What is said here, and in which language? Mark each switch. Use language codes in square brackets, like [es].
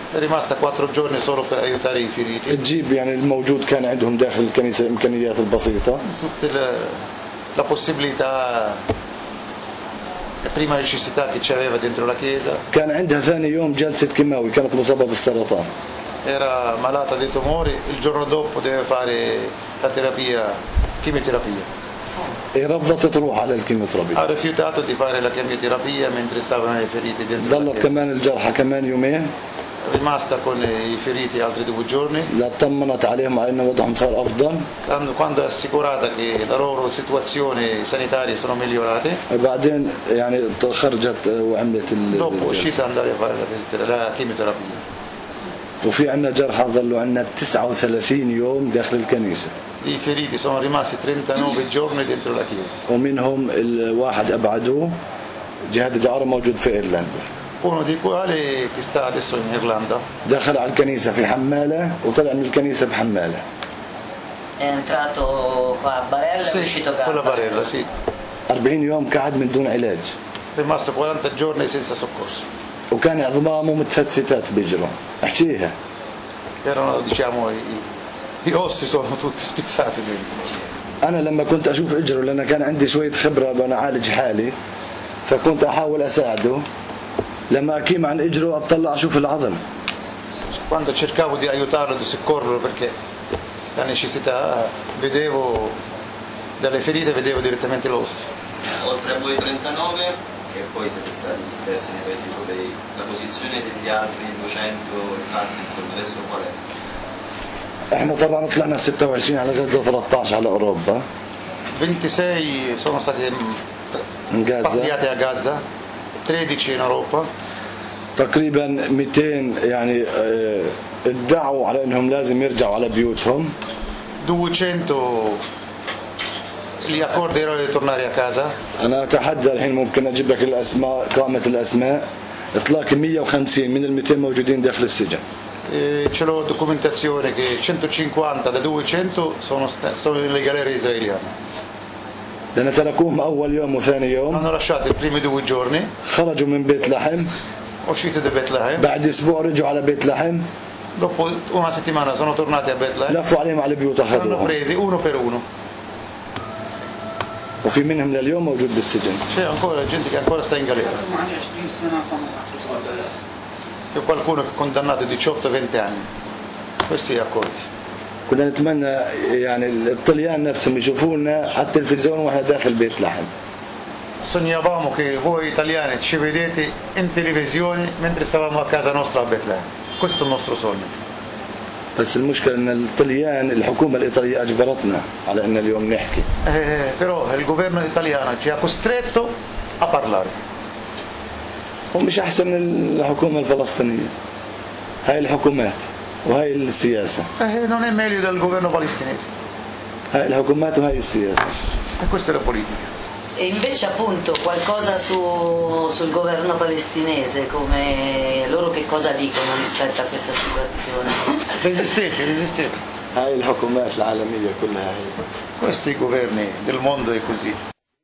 [it] rimasta 4 giorni solo per aiutare i feriti. [ar] تجيب يعني الموجود كان عندهم داخل الكنيسة إمكانيات البسيطة. [it] tutte la possibilità la prima necessità che c'aveva dentro la chiesa. [ar] كان عندها ثاني يوم جلسة كيماوي كانت مصابة بالسرطان. [it] era malata di tumori il giorno dopo deve fare la terapia chemioterapia. [ar] E رفضت تروح على الكيموثيرابي. [it] Ha rifiutato di fare la chemioterapia mentre stavano i feriti dentro. [ar] ضلت كمان الجرحى كمان يومين. [it] rimasta con i feriti altri due giorni. [ar] لا طمنت عليهم على انه وضعهم صار افضل. [it] quando è assicurata che la loro situazione sanitaria sono migliorate. [ar] وبعدين يعني خرجت وعملت ال [it] dopo uscì per andare a fare la chemioterapia. [ar] وفي عندنا جرحى ظلوا عندنا 39 يوم داخل الكنيسة. [it] I feriti sono rimasti 39 giorni dentro la chiesa. [ar] ومنهم الواحد أبعدوا جهاد دعارة موجود في إيرلندا. [it] Uno di quali che sta adesso in Irlanda. [ar] دخل على الكنيسة في حمالة وطلع من الكنيسة بحمالة. [it] È entrato qua a Barella. Sì, è uscito con la Barella, sì. [ar] 40 يوم قعد من دون علاج. [it] Rimasto 40 giorni senza soccorso. [ar] وكان عظمامه متفتتات بجرو. احكيها. [it] Erano diciamo i ossi sono tutti spezzati dentro. [ar] أنا لما كنت أشوف إجره لأن كان عندي شوية خبرة وأنا أعالج حالي فكنت أحاول أساعده لما أكيم عن إجره أطلع أشوف العظم. [it] quando cercavo di aiutarlo di soccorrerlo perché la necessità vedevo dalle ferite vedevo direttamente l'osso. oltre a voi 39 che poi siete stati dispersi nei paesi europei, la posizione degli altri 200 rimasti insomma adesso qual è? [ar] احنا طبعا طلعنا 26 على غزة 13 على اوروبا [it] 26 sono stati in Gaza spagliati a Gaza 13 in Europa [ar] تقريبا 200 يعني ادعوا على انهم لازم يرجعوا على بيوتهم [it] 200 li accordero di tornare a casa. [ar] انا اتحدى الحين ممكن اجيب لك الاسماء قائمة الاسماء اطلاق 150 من ال 200 موجودين داخل السجن. [it] C'è la documentazione che 150 da 200 sono nelle galere israeliane. [ar] لأن تركوهم أول يوم وثاني يوم. [it] Hanno lasciato i primi due giorni. [ar] خرجوا من بيت لحم. [it] Uscite da بيت لحم. [ar] بعد أسبوع رجعوا على بيت لحم. [it] Dopo una settimana sono tornati a بيت لحم. [ar] لفوا عليهم على بيوت أخرهم. [it] Hanno presi uno per uno. [ar] وفي منهم لليوم موجود بالسجن. [it] C'è ancora gente che ancora sta in galera. C'è qualcuno che è condannato a 18-20 anni. Questi gli accordi. [ar] كنا نتمنى يعني الطليان نفسهم يشوفونا على التلفزيون واحنا داخل بيت لحم. [it] Sognavamo che voi italiani ci vedete in televisione mentre stavamo a casa nostra a Betlehem. Questo è il nostro sogno. [ar] بس المشكلة إن الطليان الحكومة الإيطالية أجبرتنا على إن اليوم نحكي. [it] Però il governo italiano ci ha costretto a parlare. [ar] ومش أحسن الحكومة الفلسطينية هاي الحكومات وهاي السياسة. [it] Non è meglio del governo palestinese. [ar] هاي الحكومات وهاي السياسة. [it] E questa è la politica. E invece appunto qualcosa sul governo palestinese come loro che cosa dicono rispetto a questa situazione? Resistete. [ar] هاي الحكومات العالمية كلها هاي. [it] Questi governi del mondo è così.